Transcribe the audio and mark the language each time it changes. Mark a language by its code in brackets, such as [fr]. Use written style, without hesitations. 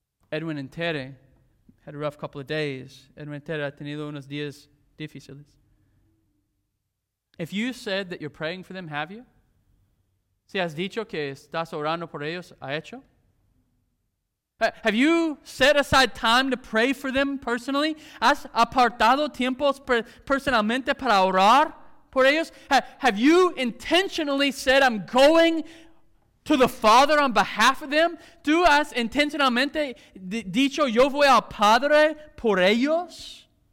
[es] Edwin and Tere had a rough couple of days. Edwin and Tere ha tenido unos días difíciles. [en] If you said that you're praying for them, have you? [es] Si has dicho que estás orando por ellos, ¿ha hecho? [en] Have you set aside time to pray for them personally? [es] ¿Has apartado tiempos personalmente para orar por ellos? [en] Have you intentionally said, I'm going to the Father on behalf of them? [es] ¿Tú has intencionalmente dicho, yo voy al Padre por ellos?